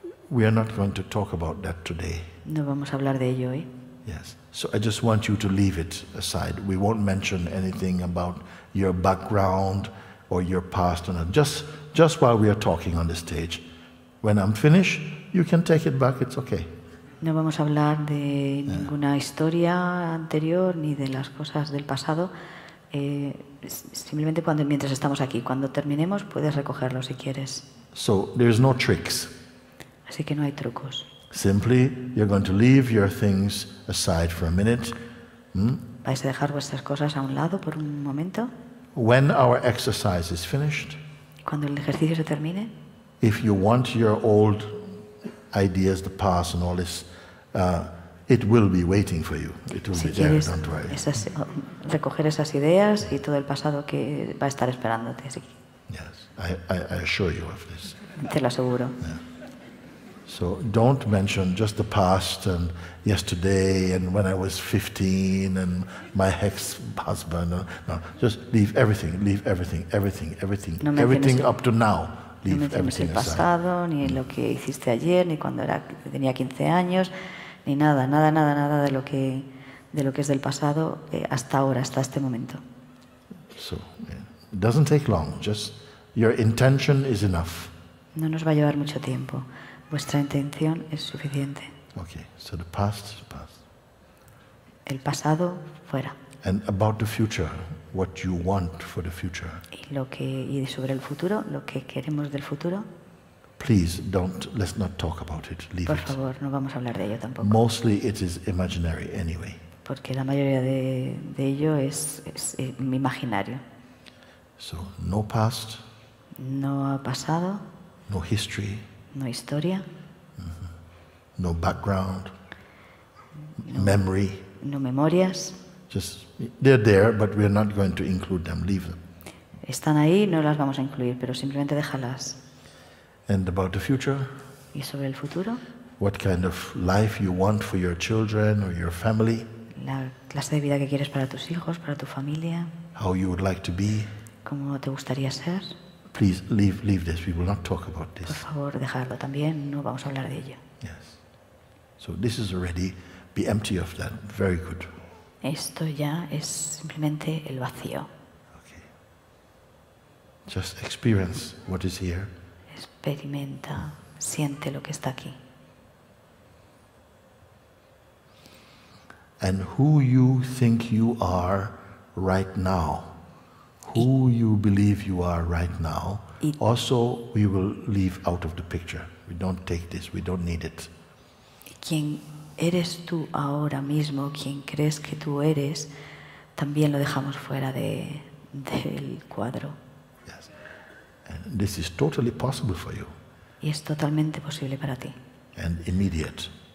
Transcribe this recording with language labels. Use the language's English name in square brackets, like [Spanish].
[English] we are not going to talk about that today. [Spanish] No vamos a hablar de ello hoy. [English] Yes. So I just want you to leave it aside. We won't mention anything about your background or your past. Just just while we are talking on the stage. When I'm finished, you can take it back, it's okay. [Spanish] No vamos a hablar de ninguna historia anterior ni de las cosas del pasado. Simplemente cuando, mientras estamos aquí, cuando terminemos, puedes recogerlo si quieres. [English] So there's no tricks. [Spanish] Así que no hay trucos. [English] Simply, you're going to leave your things aside for a minute. [Spanish] ¿Vais a dejar vuestras cosas a un lado por un momento? [English] When our exercise is finished. [Spanish] Cuando el ejercicio se termine. [English] If you want your old ideas, the past and all this, it will be waiting for you. It will [Spanish] si [English] be there, don't worry. [Spanish] Esas, recoger esas ideas y todo el pasado que va a estar esperándote. Sí. [English] Yes, I assure you of this. [Spanish] Te lo aseguro. [English] So don't mention just the past and yesterday and when I was 15 and my ex-husband. No, just leave everything, everything. No everything up to now. [Spanish] No mencionas el pasado, ni lo que hiciste ayer, ni cuando era, tenía 15 años, ni nada, nada, nada, nada de lo que es del pasado hasta ahora, hasta este momento. [English] So, it doesn't take long, just your intention is enough. [Spanish] No nos va a llevar mucho tiempo. Vuestra intención es suficiente. [English] Okay, so the past is past. [Spanish] El pasado, fuera. [English] And about the future, what you want for the future. [Spanish] Y lo que y sobre el futuro, lo que queremos del futuro. [English] Please don't. Let's not talk about it. Leave it. [Spanish] Por favor, [English] it. [Spanish] No vamos a hablar de ello tampoco. [English] Mostly it is imaginary anyway. [Spanish] Porque la mayoría de ello es imaginario. [English] So no past. [Spanish] No pasado. [English] No history. [Spanish] No historia. [English] No background. No, memory. [Spanish] No memorias. [English] Just they're there, but we're not going to include them. Leave them. [Spanish] Están ahí, no las vamos a incluir, pero simplemente déjalas. [English] And about the future? [Spanish] ¿Y sobre el futuro? [English] What kind of life you want for your children or your family? [Spanish] La clase de vida que quieres para tus hijos, para tu familia. [English] How you would like to be? [Spanish] ¿Cómo te gustaría ser? [English] Please leave this. We will not talk about this. [Spanish] Por favor, dejarlo también. No vamos a hablar de ello. [English] Yes. So this is already be empty of that. Very good. [Spanish] Esto ya es simplemente el vacío. [English] Okay. Just experience what is here. [Spanish] Experimenta, siente lo que está aquí. [English] And who you think you are right now, who you believe you are right now, also we will leave out of the picture. We don't take this, we don't need it. [Spanish] ¿Quién eres tú ahora mismo, quien crees que tú eres, también lo dejamos fuera del cuadro. [English] Yes. And this is totally possible for you. [Spanish] Y es totalmente posible para ti. [English] And immediate.